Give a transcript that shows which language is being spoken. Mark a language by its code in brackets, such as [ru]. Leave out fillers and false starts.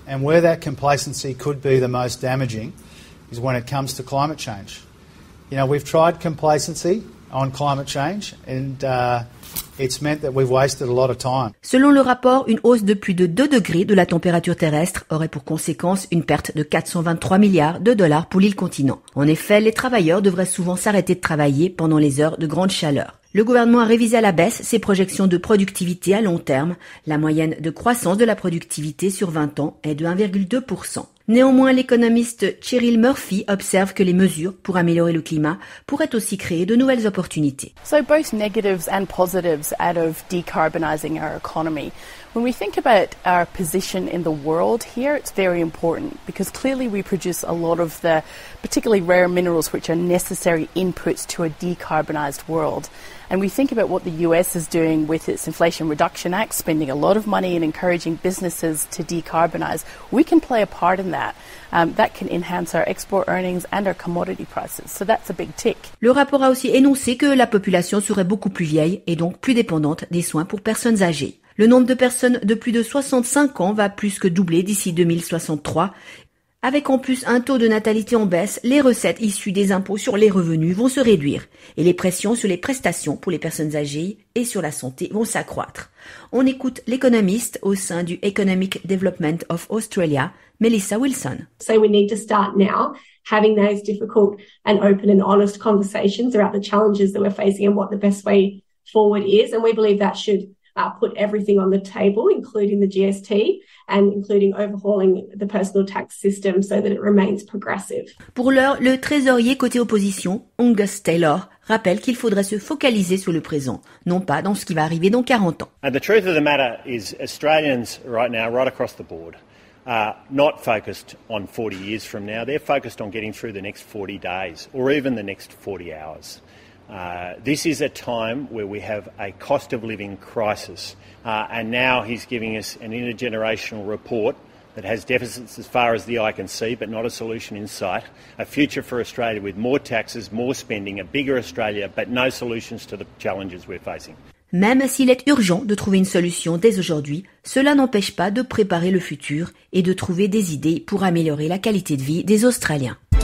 [en] And where that complacency could be the most damaging is when it comes to climate change. You know, we've tried complacency on climate change and it's meant that we've wasted a lot of time. [fr] Selon le rapport, une hausse de plus de 2 degrés de la température terrestre aurait pour conséquence une perte de 423 milliards de dollars pour l'île continent. En effet, les travailleurs devraient souvent s'arrêter de travailler pendant les heures de grande chaleur. Le gouvernement a révisé à la baisse ses projections de productivité à long terme. La moyenne de croissance de la productivité sur 20 ans est de 1,2%. Néanmoins, l'économiste Cheryl Murphy observe que les mesures pour améliorer le climat pourraient aussi créer de nouvelles opportunités. [en] So both negatives and positives out of decarbonizing our economy. When we think about our position in the world here, it's very important because clearly we produce a lot of the particularly rare minerals which are necessary inputs to a decarbonized world. And we think about what the US is doing with its Inflation Reduction Act, spending a lot of money and encouraging businesses to decarbonize. We can play a part in that. That can enhance our export earnings and our commodity prices. So that's a big tick. [fr] Le rapport a aussi énoncé que la population serait beaucoup plus vieille et donc plus dépendante des soins pour personnes âgées. Le nombre de personnes de plus de 65 ans va plus que doubler d'ici 2063. Avec en plus un taux de natalité en baisse, les recettes issues des impôts sur les revenus vont se réduire et les pressions sur les prestations pour les personnes âgées et sur la santé vont s'accroître. On écoute l'économiste au sein du Economic Development of Australia, Melissa Wilson. [en] So we need to start now having those difficult and open and honest conversations about the challenges that we're facing and what the best way forward is, and we believe that should put everything on the table, including the GST and including overhauling the personal tax system so that it remains progressive. [fr] Pour l'heure, le trésorier côté opposition, Angus Taylor, rappelle qu'il faudrait se focaliser sur le présent, non pas dans ce qui va arriver dans 40 ans. [en] And the truth of the matter is Australians right now, right across the board, are not focused on 40 years from now. They're focused on getting through the next 40 days or even the next 40 hours. This is a time where we have a cost of living crisis, and now he's giving us an intergenerational report that has deficits as far as the eye can see, but not a solution in sight. A future for Australia with more taxes, more spending, a bigger Australia, but no solutions to the challenges we're facing. [fr] Même s'il est urgent de trouver une solution dès aujourd'hui, cela n'empêche pas de préparer le futur et de trouver des idées pour améliorer la qualité de vie des Australiens.